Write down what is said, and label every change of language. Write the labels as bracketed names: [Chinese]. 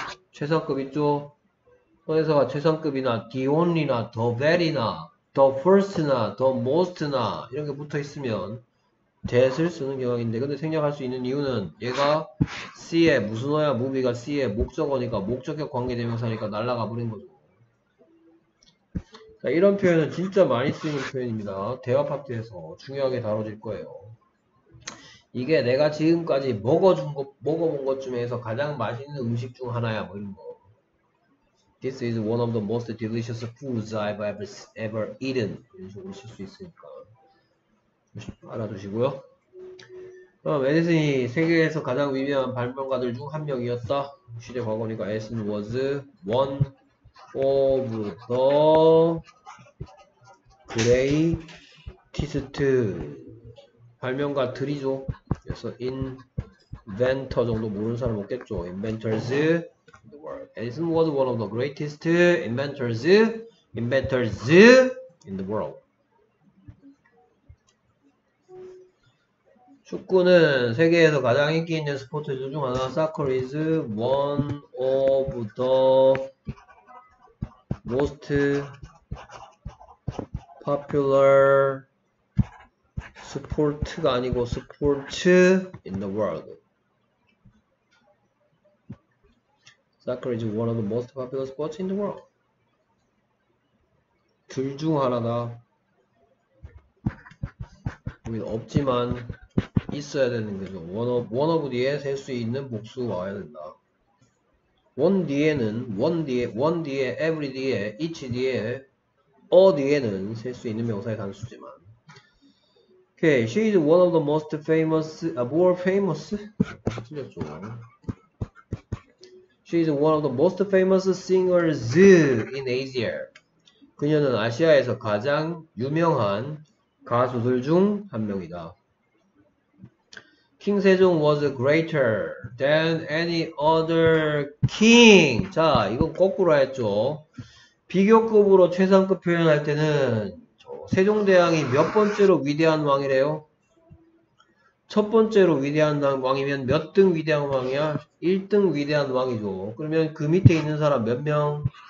[Korean] 최상급 있죠? 선행사가 최상급이나 the only나 the very나 the first나 the most나 이런 게 붙어 있으면 that을 쓰는 경향인데 근데 생략할 수 있는 이유는 얘가 C에 무슨 어야 movie가 C에 목적어니까 목적격 관계대명사니까 날라가 버린 거죠. 자, 이런 표현은 진짜 많이 쓰이는 표현입니다. 대화 파트에서 중요하게 다뤄질 거예요. 이게 내가 지금까지 먹어준 것, 먹어본 것 중에서 가장 맛있는 음식 중 하나야 뭐 이런 거. [English] This is one of the most delicious foods I've ever eaten. [Korean] 이런 식으로 쓸 수 있으니까 알아두시고요. 그럼 에디슨이 세계에서 가장 위대한 발명가들 중 한 명이었다. 시대 과거니까 에디슨 [English] was one of the greatest [Korean] 발명가 들이죠. 그래서 inventor 정도 모르는 사람 없겠죠. [English] Inventors in the world. Edison was one of the greatest inventors in the world. [Korean] 축구는 세계에서 가장 인기 있는 스포츠 중 하나. [English] Soccer is one of the most popular [Korean] 스포츠가 아니고 스포츠 [English] in the world. Soccer is one of the most popular sports in the world. [Korean] 둘 중 하나다. 여긴 없지만 있어야 되는 거죠. one of 뒤에 셀 수 있는 복수 와야 된다. one 뒤에 every 뒤에 each 뒤에 all 뒤에는 셀 수 있는 명사의 단수지만. [English] Okay, she is one of the most famous, more famous. [Korean] 틀렸죠. [English] She is one of the most famous singers in Asia. [Korean] 그녀는 아시아에서 가장 유명한 가수들 중 한 명이다. [English] King Sejong was greater than any other king. [Korean] 자, 이건 거꾸로 했죠. 비교급으로 최상급 표현할 때는 세종대왕이 몇 번째로 위대한 왕이래요? 첫 번째로 위대한 왕이면 몇 등 위대한 왕이야? 1등 위대한 왕이죠. 그러면 그 밑에 있는 사람 몇 명?